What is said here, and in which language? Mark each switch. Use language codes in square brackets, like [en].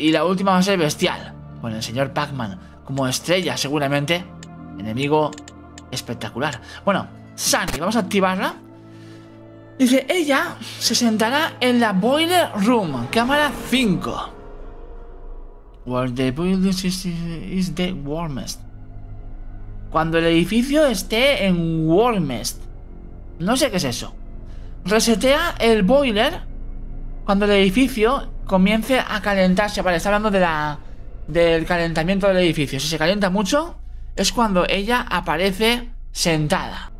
[es] Y la última va a ser bestial. Con el señor Pac-Man como estrella, seguramente. Enemigo espectacular. Bueno, Sunny, vamos a activarla. Dice, ella se sentará en la Boiler Room, cámara 5. [en] Where the building is the warmest. [es] Cuando el edificio esté en warmest. No sé qué es eso. Resetea el boiler cuando el edificio comience a calentarse. Vale, está hablando de la del calentamiento del edificio. Si se calienta mucho, es cuando ella aparece sentada.